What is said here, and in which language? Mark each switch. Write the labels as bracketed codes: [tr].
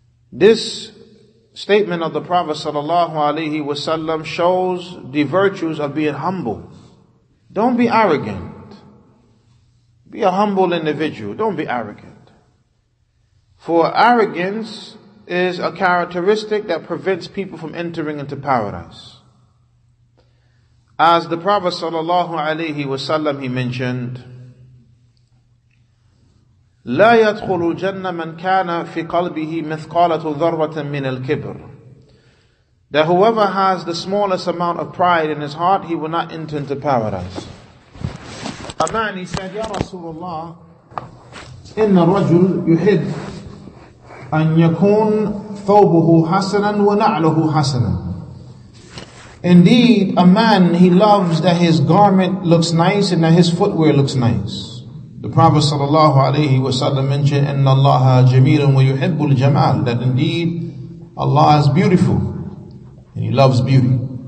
[en] This statement of the Prophet sallallahu alaihi wasallam shows the virtues of being humble. Don't be arrogant. Be a humble individual. Don't be arrogant. For arrogance is a characteristic that prevents people from entering into paradise. As the Prophet sallallahu alaihi wasallam, he mentioned, [ar] لا يدخل الجنة من كان في قلبه مثقالة ذرة من الكبر. [en] That whoever has the smallest amount of pride in his heart, he will not enter into paradise. A man, he said, [ar] Ya Rasulullah, إن الرجل يحب أن يكون ثوبه حسنا ونعله حسنا. [en] Indeed, a man, he loves that his garment looks nice and that his footwear looks nice. The Prophet sallallahu alayhi wa sallam mentioned, [ar] "Inna Allaha jameelun wa yuhibbul jamal," [en] that indeed Allah is beautiful and He loves beauty.